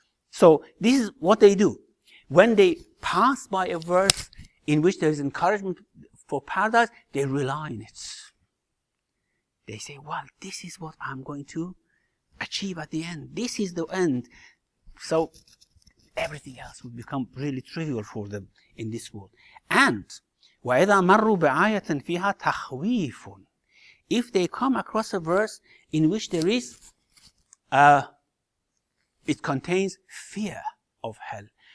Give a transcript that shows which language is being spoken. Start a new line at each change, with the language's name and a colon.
English: So this is what they do. When they pass by a verse in which there is encouragement for paradise, they rely on it. They say, well, this is what I'm going to achieve at the end. This is the end. So everything else will become really trivial for them in this world.
Arabic: And وَإِذَا مَرُّوا بِآيَةٍ فِيهَا تَخْوِيفٌ.
English: If they come across a verse in which there is, it contains fear of hell.